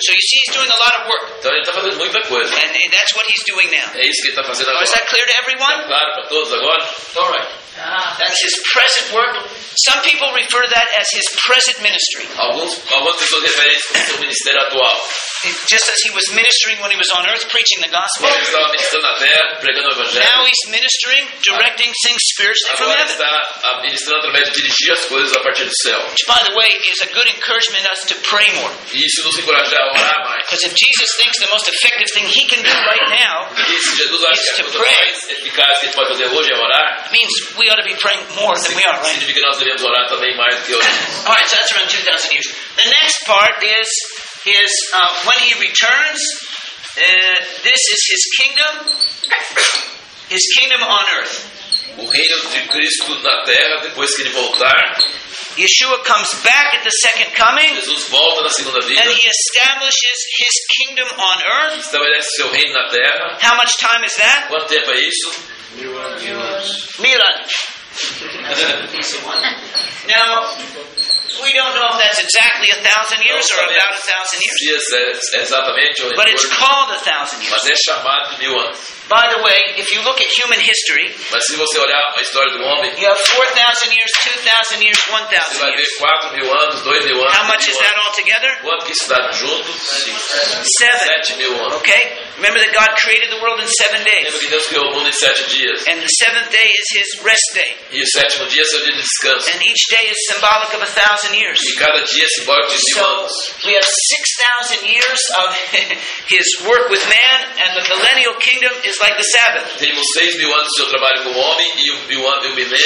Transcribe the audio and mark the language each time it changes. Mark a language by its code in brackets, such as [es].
[en] So you see, he's doing a lot of work. [pt] Então ele está fazendo muita coisa. [en] And that's what he's doing now. [pt] É isso que ele está fazendo agora. [en] Is that clear to everyone? [pt] Está claro para todos agora? [en] All right. That's his present work. Some people refer to that as his present ministry. [pt] Alguns pessoas referem isso como seu ministério atual. [en] Just as he was ministering when he was on earth, preaching the gospel. [pt] Ele estava ministrando na terra, pregando o evangelho. [en] Now he's ministering, directing things spiritually from heaven. [pt] Agora está ministrando através de dirigir as coisas a partir do céu. [en] Which, by the way, is a good encouragement us to pray more. [pt] E isso nos encoraja a orar mais. [en] Because if Jesus thinks the most effective thing he can do right now [pt] is Jesus acha que a coisa mais eficaz que ele pode fazer hoje é orar. [en] Means we ought to be praying more than we are, right? [pt] Significa que nós devemos orar também mais do que hoje. [en] All right, so that's around 2,000 years. The next part is when he returns, this is his kingdom on earth. [pt] O reino de Cristo na terra depois que ele voltar. [en] Yeshua comes back at the second coming. [pt] Jesus volta na segunda vinda. [en] And he establishes his kingdom on earth. [pt] Estabelece seu reino na terra. [en] How much time is that? [pt] Quanto tempo é isso? Mil anos. Mil anos. [en] Now, we don't know if that's exactly 1,000 years or about 1,000 years. Yes, exatly. But it's called 1,000 years. [pt] Mas é chamado de mil anos. [en] By the way, if you look at human history, [pt] mas se você olhar a história do homem, [en] you have 4,000 years, 2,000 years, 1,000 years. [pt] Você vai ver 4,000 anos, 2,000 anos. [en] How much is that all together? [pt] Quanto que isso dá junto? 7,000 anos. Okay. [en] Remember that God created the world in 7 days. [pt] Lembra que Deus criou o mundo em 7 dias. [en] And the seventh day is His rest day. [pt] E o sétimo dia é seu dia de descanso. [en] And each day is symbolic of 1,000 years. [pt] E cada dia é simbólico de 1,000 anos. [en] We have 6,000 years of His work with man, and the millennial kingdom is like the Sabbath. [pt] Temos 6,000 anos do seu trabalho com o homem e o milênio.